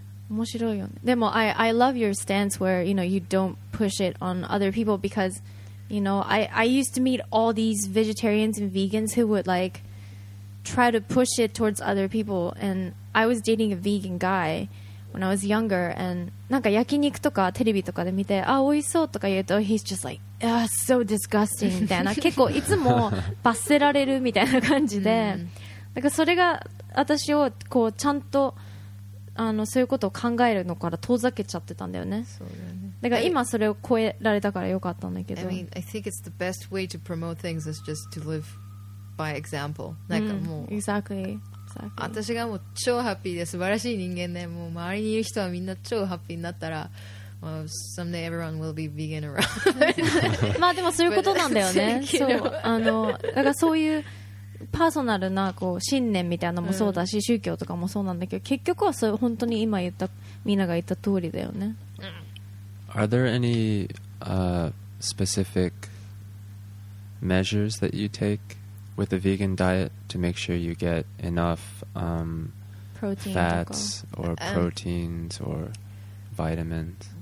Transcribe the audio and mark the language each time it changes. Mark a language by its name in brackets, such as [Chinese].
[Japanese] 面白いよね。でも [English] I love your stance where you know you don't push it on other people, because you know I used to meet all these vegetarians and vegans who would like try to push it towards other people, and I was dating a vegan guy when I was younger, and [Japanese] なんか焼肉とかテレビとかで見て、あ、美味しそうとか言うと、 [English] he's just like, ah, so disgusting [Japanese] みたいな、結構いつも罰せられるみたいな感じで、なんかそれが私をこうちゃんとあのそういうことを考えるのから遠ざけちゃってたんだよね。そうだよね。だから今それを超えられたからよかったんだけど。 [English] I mean, I think it's the best way to promote things is just to live by example. [Japanese] なんかもう。 [English] Exactly. [Japanese] 私がもう超ハッピーで素晴らしい人間で、もう周りにいる人はみんな超ハッピーになったら、まあ、 [English] someday everyone will be vegan around. [Japanese] まあでもそういうことなんだよね。そう、あの、だからそういうパーソナルなこう信念みたいなのもそうだし、うん、宗教とかもそうなんだけど、結局はそれ本当に今言った、みんなが言った通りだよね。 [English] Are there any specific measures that you takewith a vegan diet to make sure you get enough protein fats or proteins or vitamins?